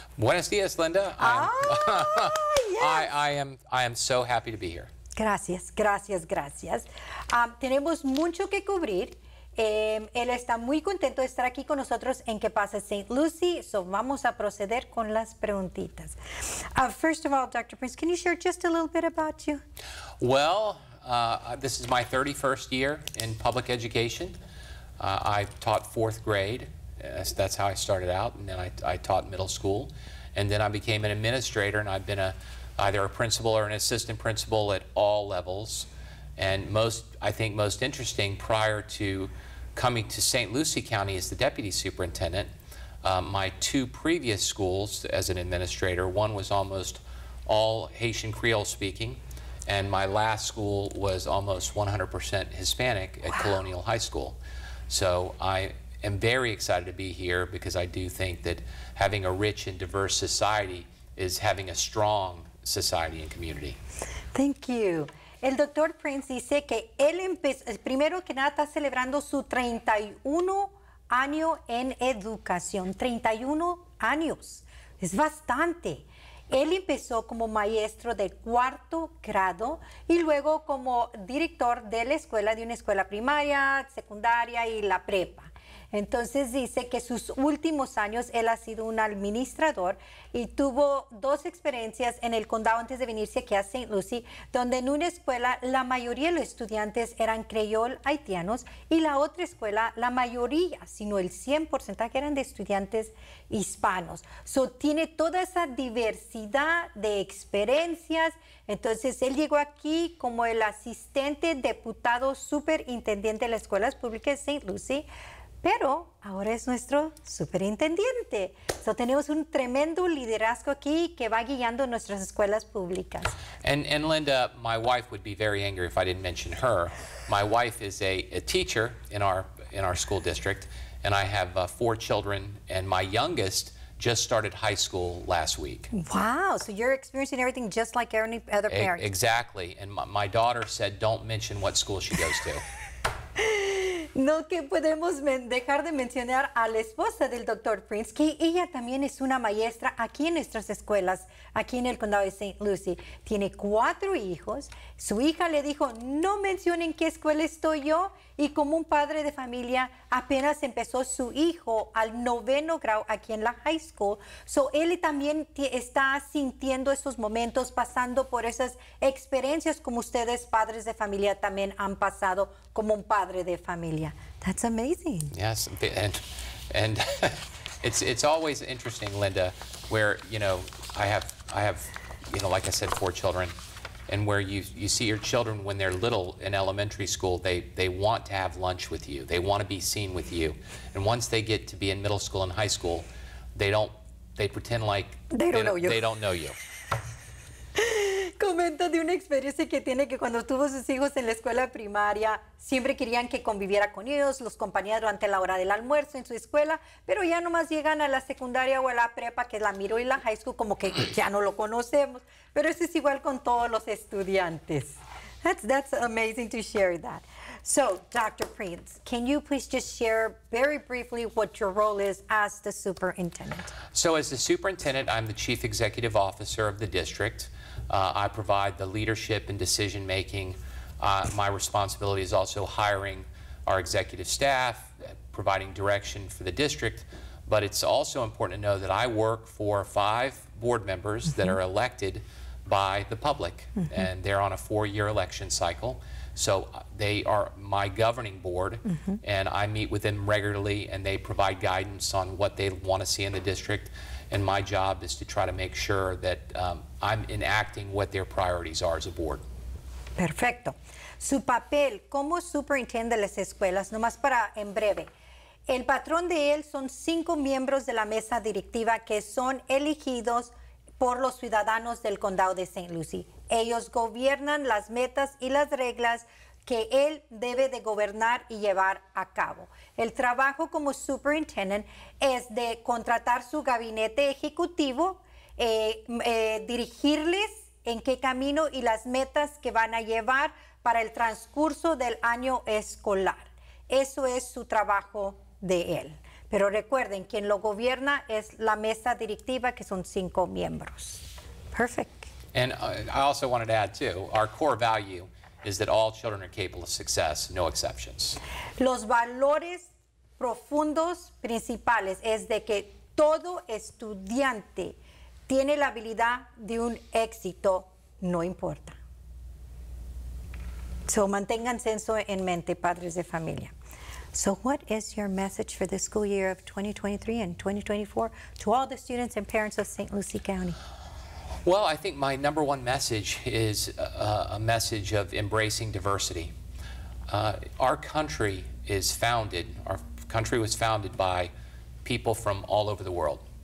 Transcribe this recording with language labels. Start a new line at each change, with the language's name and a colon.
Spanish: Buenos días, Linda.
English: I am so happy to be here.
Spanish: Gracias, gracias, gracias. Tenemos mucho que cubrir. Él está muy contento de estar aquí con nosotros en Que Pasa, St. Lucie. So, vamos a proceder con las preguntitas.
English: First of all, Dr. Prince, can you share just a little bit about you? Well, this is my 31st year in public education. I taught fourth grade. That's how I started out. And then I taught middle school. And then I became an administrator, and I've been either a principal or an assistant principal at all levels. And most interesting, prior to coming to St. Lucie County as the deputy superintendent, my two previous schools as an administrator, one was almost all Haitian Creole speaking, and my last school was almost 100% Hispanic at wow. Colonial High School. So I am very excited to be here because I do think that having a rich and diverse society is having a strong society and community. Thank you.
Spanish: El doctor Prince dice que él empezó, primero que nada, está celebrando su 31 año en educación. 31 años. Es bastante. Él empezó como maestro de cuarto grado y luego como director de la escuela, de una escuela primaria, secundaria y la prepa. Entonces dice que sus últimos años él ha sido un administrador y tuvo dos experiencias en el condado antes de venirse aquí a St. Lucie, donde en una escuela la mayoría de los estudiantes eran creol haitianos y la otra escuela la mayoría, sino el 100% eran de estudiantes hispanos. So, tiene toda esa diversidad de experiencias. Entonces él llegó aquí como el asistente diputado superintendente de las escuelas públicas de St. Lucie. Pero ahora es nuestro superintendente. So, tenemos un tremendo liderazgo aquí que va guiando nuestras escuelas públicas.
English: And Linda, my wife would be very angry if I didn't mention her. My wife is a teacher in our school district, and I have four children, and my youngest just started high school last week. Wow, so you're experiencing everything just like any other parent. Exactly, and my daughter said don't mention what school she goes to.
Spanish: No que podemos dejar de mencionar a la esposa del Dr. Prince, que ella también es una maestra aquí en nuestras escuelas, aquí en el condado de St. Lucie. Tiene cuatro hijos. Su hija le dijo, no mencionen qué escuela estoy yo. Y como un padre de familia, apenas empezó su hijo al noveno grado aquí en la high school. So, él también está sintiendo esos momentos, pasando por esas experiencias como ustedes, padres de familia, también han pasado como un padre de familia.
English: That's amazing. Yes, and it's always interesting, Linda, where, you know, I have, you know, like I said, four children. And where you see your children when they're little in elementary school, they want to have lunch with you. They want to be seen with you. And once they get to be in middle school and high school, they pretend like they don't know you.
Spanish: Comenta de una experiencia que tiene, que cuando tuvo sus hijos en la escuela primaria, siempre querían que conviviera con ellos, los acompañaba durante la hora del almuerzo en su escuela, pero ya nomás llegan a la secundaria o a la prepa, que es la middle y la high school, como que ya no lo conocemos. Pero eso es igual con todos los estudiantes.
English: That's amazing to share that. So, Dr. Prince, can you please just share very briefly what your role is as the superintendent? So, as the superintendent, I'm the chief executive officer of the district. I provide the leadership and decision making. My responsibility is also hiring our executive staff, providing direction for the district. But it's also important to know that I work for five board members that are elected by the public, mm-hmm. and they're on a four-year election cycle. So they are my governing board, mm-hmm. and I meet with them regularly, and they provide guidance on what they want to see in the district. And my job is to try to make sure that I'm enacting what their priorities are as a board.
Spanish: Perfecto. Su papel como superintendente de las escuelas, nomás para en breve. El patrón de él son 5 miembros de la mesa directiva que son elegidos por los ciudadanos del condado de St. Lucie. Ellos gobiernan las metas y las reglas que él debe de gobernar y llevar a cabo. El trabajo como superintendent es de contratar su gabinete ejecutivo, dirigirles en qué camino y las metas que van a llevar para el transcurso del año escolar. Eso es su trabajo de él. Pero recuerden, quien lo gobierna es la mesa directiva, que son 5 miembros.
English: Perfect. And I also wanted to add too, our core value is that all children are capable of success, no exceptions.
Spanish: Los valores profundos principales es de que todo estudiante tiene la habilidad de un éxito, no importa. So manténganse eso en mente, padres de familia.
English: So what is your message for the school year of 2023 and 2024 to all the students and parents of St. Lucie County? Well, I think my number one message is a message of embracing diversity. Our country is founded, our country was founded by people from all over the world.